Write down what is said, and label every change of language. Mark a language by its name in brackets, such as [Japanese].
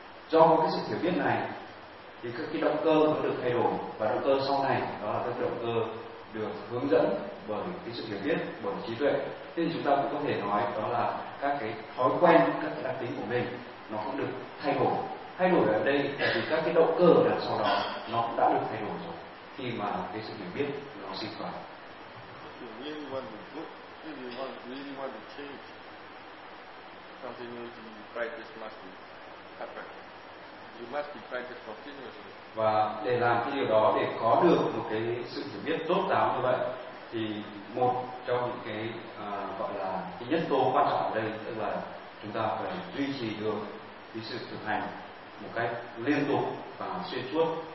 [Vietnamese] Do cái sự hiểu biết này thì các cái động cơ nó được thay đổi, và động cơ sau này đó là các động cơ được hướng dẫn bởi cái sự hiểu biết, bởi trí tuệ. Thế thì chúng ta cũng có thể nói đó là các cái thói quen, các cái đặc tính của mình nó cũng được thay đổi. Thay đổi ở đây là vì các cái động cơ đằng sau đó nó cũng đã được thay đổi rồi, khi mà cái sự hiểu biết nó sinh khởi. [English] If you want, really want to change, continuity practice must be happen. You must be practice continuously. [Vietnamese] Và để làm cái điều đó, để có được một cái sự hiểu biết tốt đáo như vậy, thì một trong những cái gọi là cái nhân tố quan trọng ở đây, tức là chúng ta phải duy trì được cái sự thực hành một cách liên tục và xuyên suốt.